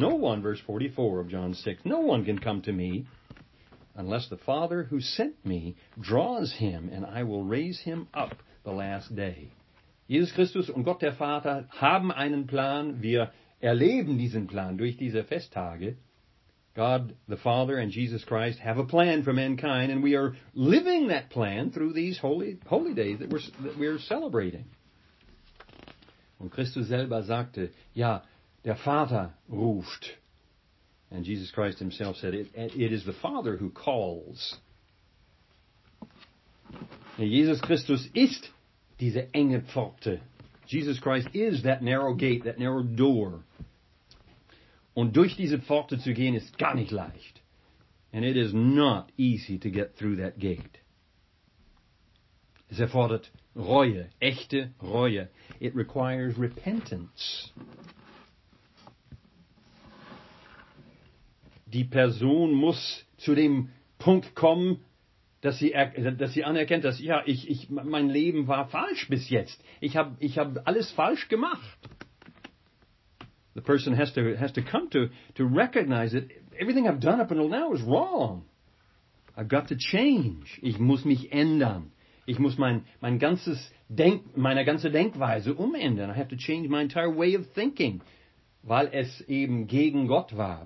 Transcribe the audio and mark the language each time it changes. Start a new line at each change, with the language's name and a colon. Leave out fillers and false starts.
English: No one, verse 44 of John 6, no one can come to me unless the Father who sent me draws him, and I will raise him up the last day.
German: Jesus Christus und Gott der Vater haben einen Plan. Wir erleben diesen Plan durch diese Festtage.
English: God the Father and Jesus Christ have a plan for mankind, and we are living that plan through these holy days that we're celebrating.
German: Und Christus selber sagte, ja, der Vater ruft.
English: And Jesus Christ himself said, it is the Father who calls.
German: Jesus Christus ist diese enge Pforte.
English: Jesus Christ is that narrow gate, that narrow door.
German: Und durch diese Pforte zu gehen, ist gar nicht leicht.
English: And it is not easy to get through that gate.
German: Es erfordert Reue, echte Reue.
English: It requires repentance.
German: Die Person muss zu dem Punkt kommen, dass sie anerkennt, dass, ja, ich mein Leben war falsch bis jetzt. Ich hab alles falsch gemacht.
English: The person has to come to recognize that everything I've done up until now is wrong. I've got to change.
German: Ich muss mich ändern. Ich muss meine ganze Denkweise umändern.
English: I have to change my entire way of thinking,
German: weil es eben gegen Gott war.